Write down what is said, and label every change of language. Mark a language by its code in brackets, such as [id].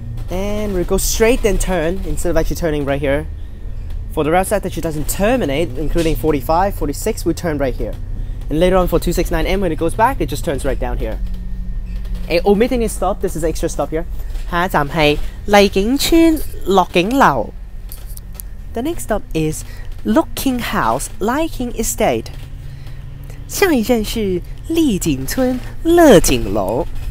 [en] And we'll go straight then turn, instead of actually turning right here. For the route that she doesn't terminate, including 45, 46, we turn right here. And later on for 269M, when it goes back, it just turns right down here. And omitting a stop, this is an extra stop here. [zh] 下一站是麗景村樂景樓. [en] The next stop is Looking House, Liking Estate. [zh] 下一站是麗景村樂景樓.